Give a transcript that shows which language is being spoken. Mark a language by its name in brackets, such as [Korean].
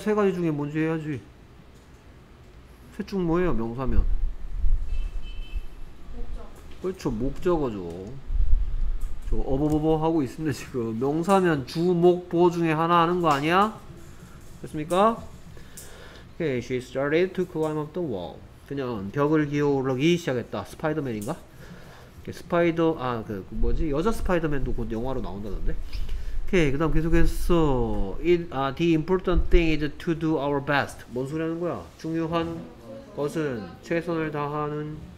[Korean] 세 가지 중에 뭔지 해야지. 셋중 뭐예요? 명사면 그렇죠. 목적어죠. 저 어버버버 하고 있습니다. 지금 명사면 주목보 중에 하나 하는 거 아니야? 됐습니까? [English] Okay, she started to climb up the wall. [Korean] 그냥 벽을 기어오르기 시작했다. 스파이더맨인가? 스파이더 아 그 뭐지? 여자 스파이더맨도 곧 영화로 나온다던데. 오케이. [English] Okay, [Korean] 그다음 계속해서 [English] the important thing is to do our best. [Korean] 뭔 소리 하는 거야? 중요한 것은 최선을 다하는